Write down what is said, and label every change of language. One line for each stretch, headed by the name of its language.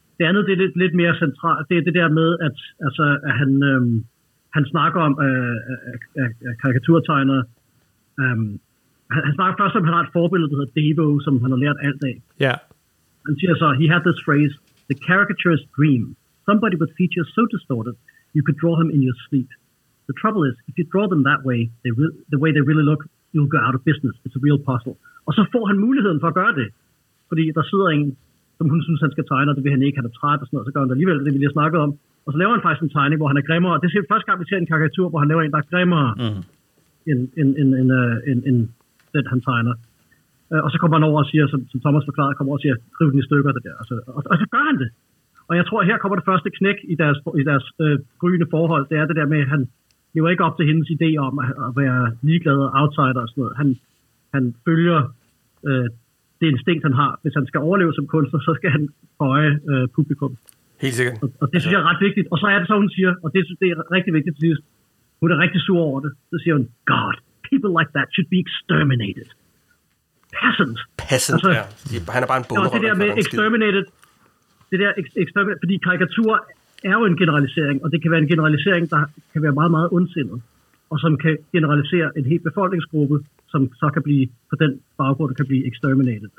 Danish: Det andet, det er lidt mere centralt, det er det der med, at, altså, at han... Han snakker om karikaturtegnere. Han snakker først om, at han har et forbillede, der hedder Devo, som han har lært alt af.
English: Yeah.
Danish: Han siger så,
English: he had this phrase, the caricaturist dream. Somebody with features so distorted, you could draw him in your sleep. The trouble is, if you draw them that way, the way they really look, you'll go out of business. It's a real puzzle.
Danish: Og så får han muligheden for at gøre det. Fordi der sidder en, som hun synes, han skal tegne, og det vil han ikke, han er træt og sådan noget, så gør han det alligevel, det vi lige har snakket om. Og så laver han faktisk en tegning, hvor han er grimmere. Det er første gang, vi ser en karikatur, hvor han laver en, der er grimmere end den, han tegner. Og så kommer han over og siger, som Thomas forklarede, kommer over og siger, riv den i stykker, det der. Og så gør han det. Og jeg tror, her kommer det første knæk i deres gryende forhold. Det er det der med, at han lever ikke op til hendes idé om at være ligeglad og outsider og sådan noget. Han følger det instinkt, han har. Hvis han skal overleve som kunstner, så skal han føje publikum. Helt sikkert. Og det synes jeg er ret vigtigt. Og så er det så, hun siger, og det er rigtig vigtigt, at hun er rigtig sur over det. Så siger hun,
English: God, people like that should be exterminated. Peasant.
Danish: Peasant, altså, ja. Han er bare en bonderøn. Det der med exterminated, fordi karikatur er jo en generalisering, og det kan være en generalisering, der kan være meget, meget ondsindet, og som kan generalisere en hel befolkningsgruppe, som så kan blive, på den baggrund, kan blive exterminated.